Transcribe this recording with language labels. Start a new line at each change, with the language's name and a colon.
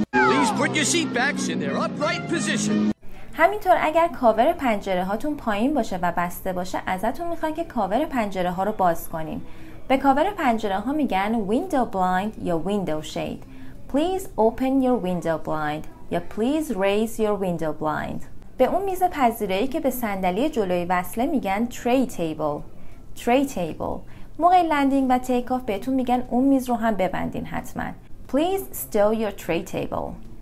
English: Please put your seat backs in their upright position.
Persian: همینطور اگر کاور پنجره هاتون پایین باشه و بسته باشه ازتون میخوان که کاور پنجره ها رو باز کنین. به کاور پنجره ها میگن window blind یا window shade.
English: Please open your window blind یا please raise your window blind.
Persian: به اون میز پذیرایی که به صندلی جلوی وصله میگن tray table. موقع لندینگ و تیک آف بهتون میگن اون میز رو هم ببندین حتما.
English: Please stow your tray table.